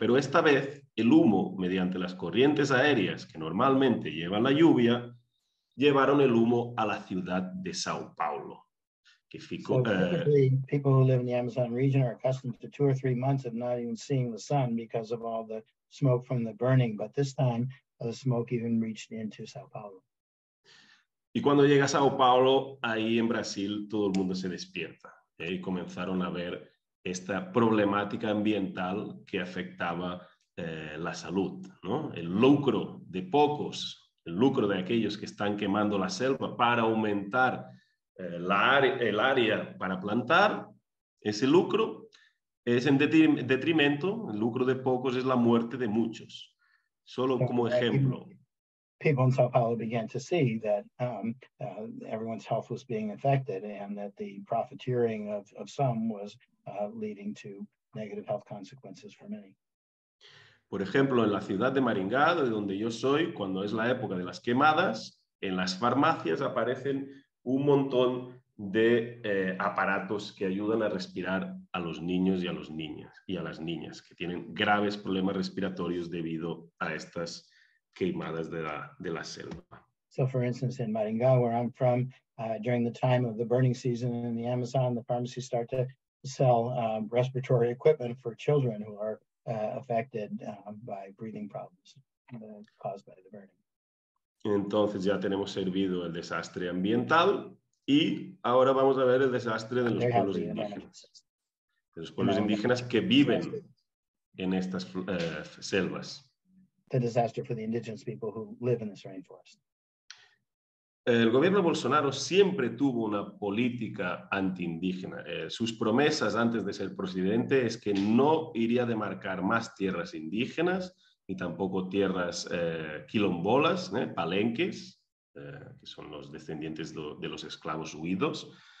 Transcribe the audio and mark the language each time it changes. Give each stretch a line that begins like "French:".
Spanish: Pero esta vez, el humo, mediante las corrientes aéreas que normalmente llevan la lluvia, llevaron el humo a la ciudad de Sao Paulo.
English: Que fico, people who live in the Amazon region are accustomed to 2 or 3 months of not even seeing the sun because of all the smoke from the burning, but this time the smoke even reached into Sao Paulo.
Spanish: Y cuando llega a Sao Paulo, ahí en Brasil, todo el mundo se despierta y comenzaron a ver esta problemática ambiental que afectaba la salud, ¿no? El lucro de pocos, el lucro de aquellos que están quemando la selva para aumentar el área para plantar, ese lucro es en detrimento, el lucro de pocos es la muerte de muchos. Solo como ejemplo.
English: People in Sao Paulo began to see that everyone's health was being affected and that the profiteering of some was leading to negative health consequences for many.
Spanish: Por ejemplo, en la ciudad de Maringá, de donde yo soy, cuando es la época de las quemadas, en las farmacias aparecen un montón de aparatos que ayudan a respirar a los niños y a las niñas, que tienen graves problemas respiratorios debido a estas quemadas de la selva.
English: So, for instance, in Maringá, where I'm from, during the time of the burning season in the Amazon, the pharmacies start to sell respiratory equipment for children who are affected by breathing problems caused by the burning.
Spanish: Entonces ya tenemos servido el desastre ambiental y ahora vamos a ver el desastre de los pueblos indígenas. De los pueblos indígenas que viven en estas selvas.
English: The disaster for the indigenous people who live in this rainforest.
Spanish: El gobierno de Bolsonaro siempre tuvo una política antiindígena. Sus promesas antes de ser presidente es que no iría a demarcar más tierras indígenas ni tampoco tierras quilombolas, palenques, que son los descendientes de los esclavos huidos.